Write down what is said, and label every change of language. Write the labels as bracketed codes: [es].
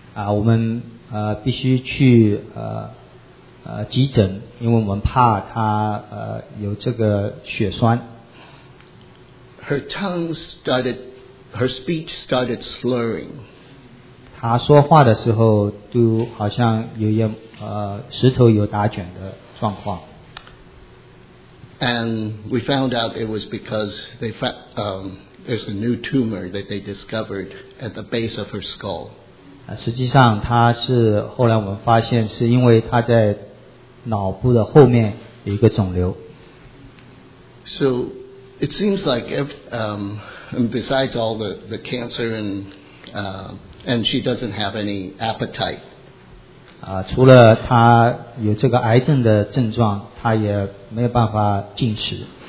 [zh] 我们必须去急诊，因为我们怕她有这个血栓。 [en] Her tongue started, her speech started slurring. [zh] 她说话的时候都好像有点舌头有打卷的。 [en] And we found out it was because there's a new tumor that they discovered at the base of her skull. [zh] 实际上她是后来我们发现是因为她在脑部的后面有一个肿瘤。 [en] So it seems like besides all the cancer and she doesn't have any appetite. [zh] 除了他有这个癌症的症状，他也没有办法进食。